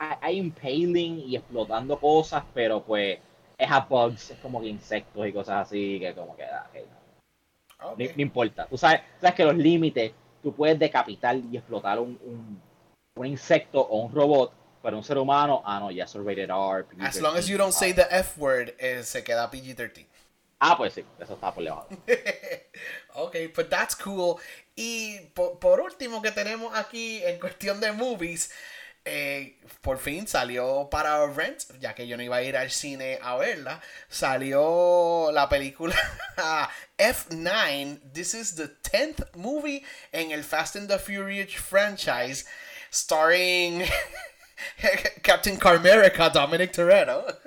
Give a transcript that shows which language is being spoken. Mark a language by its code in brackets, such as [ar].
[es] Hay impaling y explotando cosas, pero pues es a bugs, es como que insectos y cosas así, que como que da. Okay, No importa. Tú sabes que los límites, tú puedes decapitar y explotar un insecto o un robot, pero un ser humano, ah, no, ya es rated R. [en] PG-13. As long as you don't say the F word, [es] se queda PG-13. Ah, pues sí, eso está por debajo. [en] Ok, but that's cool. [es] Y por último que tenemos aquí en cuestión de movies, por fin salió para Rent, ya que yo no iba a ir al cine a verla. Salió la película F9. [en] This is the 10th movie [es] en el [en] Fast and the Furious franchise, starring Captain Carmerica, Dominic Toretto.